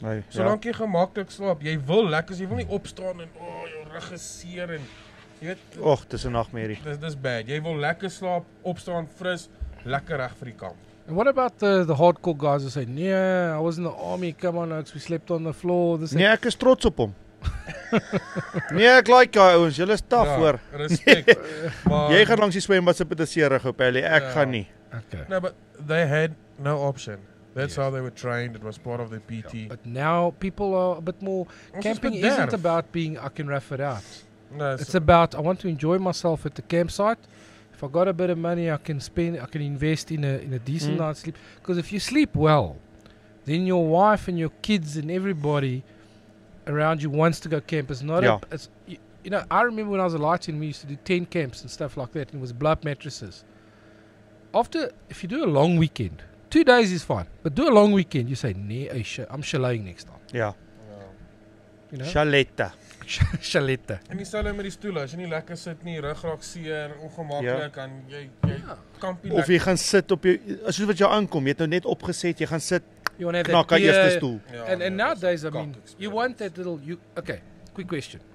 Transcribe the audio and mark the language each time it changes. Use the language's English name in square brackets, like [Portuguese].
[Afrikaans] Solank jy gemaklik slaap. Jy wil lekker, jy wil nie opstaan en jou rug is seer en... Och, dis 'n nagmerrie. Dis bad. Jy wil lekker slaap, opstaan fris, lekker reg vir die kamp. [English] And what about the hardcore guys who say, "Nee, I was in the army. Come on, we slept on the floor." This [Afrikaans] nee, ek is trots op hom. Nee, ek like jou ouens. Julle is taaf, hoor. Respek. Jy gaan langs die swembad sit met 'n seer rug op, Ellie. Ek gaan nie. [English] Okay. No, but they had no option. That's how they were trained. It was part of their PT. Yeah, but now people are a bit more... camping isn't about being, I can rough it out. No, it's about, I want to enjoy myself at the campsite. If I got a bit of money, I can spend, I can invest in a decent night's sleep. Because if you sleep well, then your wife and your kids and everybody around you wants to go camp. It's not I remember when I was a light team, we used to do 10 camps and stuff like that, and it was blow up mattresses. After, if you do a long weekend, 2 days is fine, but do a long weekend, you say, nee, I'm chaleting next time. Yeah. You know? Chaleta. Chalette. [Afrikaans] En die stel hy met die stoel, as jy nie lekker sit nie, rug raak seer, ongemaklik, en jy kamp nie. Of jy gaan sit op jou, soos wat jy aankom, jy het nou net opgeset, jy gaan sit, knak aan eerste stoel. [English] And nowadays, I mean, you want that little, okay, quick question.